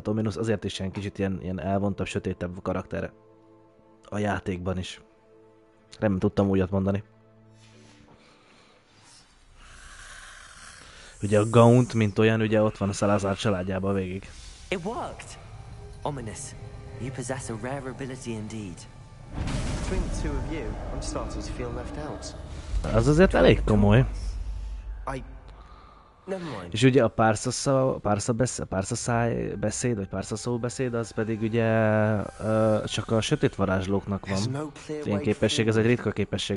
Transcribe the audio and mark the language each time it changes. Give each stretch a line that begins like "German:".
Hungarian: Tehát Ominous azért is ilyen kicsit ilyen elvontabb, sötétebb karakter a játékban is. Nem tudtam újat mondani. Ugye a Gaunt, mint olyan, ugye ott van a Salazar családjában végig.
English: It worked! Ominous, you possess a rare ability indeed. Between the two of you, I'm starting to feel left out.
Hungarian: Az azért elég komoly.
English: I... Never mind.
Hungarian: És ugye a párszaszó beszéd, az pedig ugye csak a sötét varázslóknak van. Ilyen képesség, ez egy ritka képesség.